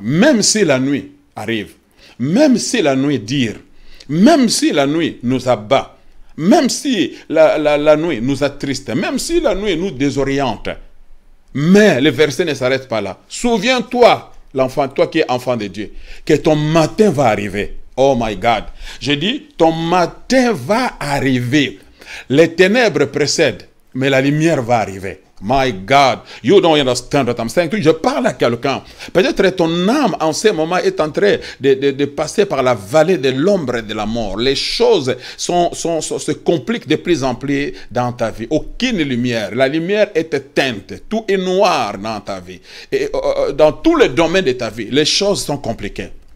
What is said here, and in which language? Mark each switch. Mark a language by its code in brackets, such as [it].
[fr] Même si la nuit arrive, même si la nuit dure, même si la nuit nous abat, même si la nuit nous attriste, même si la nuit nous désoriente, mais le verset ne s'arrête pas là. Souviens-toi, l'enfant, toi qui es enfant de Dieu, que ton matin va arriver. [en] Oh my God, [fr] je dis ton matin va arriver. Les ténèbres précèdent, mais la lumière va arriver. [en] My God, you don't understand what I'm saying. [fr] Je parle à quelqu'un. Peut-être ton âme en ce moment est en train de passer par la vallée de l'ombre et de la mort. Les choses se compliquent de plus en plus dans ta vie. Aucune lumière. La lumière est éteinte. Tout est noir dans ta vie. Et dans tous les domaines de ta vie, les choses sont compliquées.